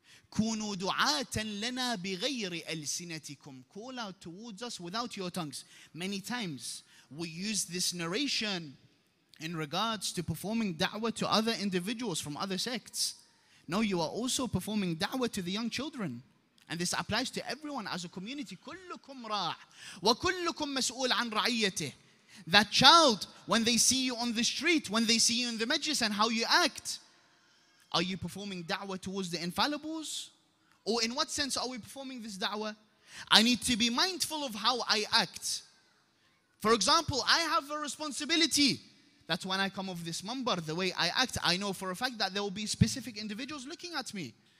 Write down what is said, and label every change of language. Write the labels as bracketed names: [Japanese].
[Arabic] كونوا دعاة لنا بغير ألسنتكم. [English] Call out towards us without your tongues. Many times we use this narration in regards to performing da'wah to other individuals from other sects. No, you are also performing da'wah to the young children. And this applies to everyone as a community. [Arabic] كلكم راع وكلكم مسؤول عن رعيته. [English] That child, when they see you on the street, when they see you in the majlis and how you act, are you performing da'wah towards the infallibles? Or in what sense are we performing this da'wah? I need to be mindful of how I act. For example, I have a responsibility that when I come off this mumbar, the way I act, I know for a fact that there will be specific individuals looking at me.